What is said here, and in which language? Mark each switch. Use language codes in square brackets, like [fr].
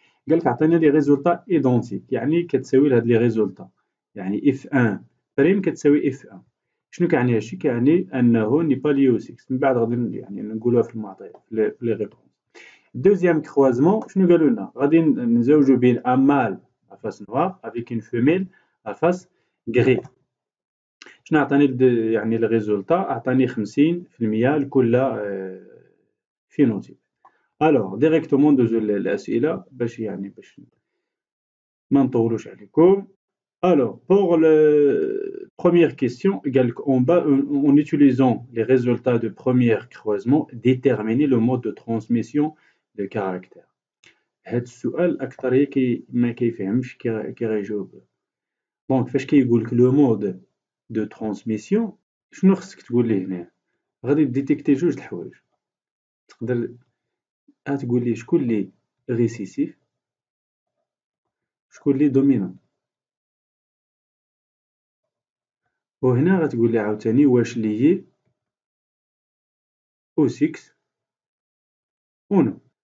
[ar] قالك عطيني لي ريزولتا ايدونتيك، يعني كتساوي لهاد لي ريزولتا، يعني اف 1 بريم كتساوي اف 1. شنو كيعني هادشي؟ كيعني انه ني با ليو 6. من بعد غادي يعني نقولوها في المعطيات لي ريبونس. دوزيام كروازمون شنو قالوا لنا؟ غادي نزوجوا بين امال [fr] à face noire avec une femelle à face grise. Je n'ai pas obtenu le résultat, j'ai obtenu 50% de tous les phénotypes. Alors, directement, je vais vous poser la question, pour que vous ne alors, pour la première question, en bas, en utilisant les résultats de premier croisement, déterminer le mode de transmission de caractère. [ar] هاد السؤال اكثريه كي ما كيفهمش كي غيجاوب. دونك فاش كيقولك لو مود دو ترانسميسيون، شنو خصك تقول ليه هنا؟ غادي ديتيكتي جوج الحوايج. تقدر تقول لي شكون لي ريسيسيف، شكون لي دومينون، وهنا غتقول لي عاوتاني واش لي او 6 او نو.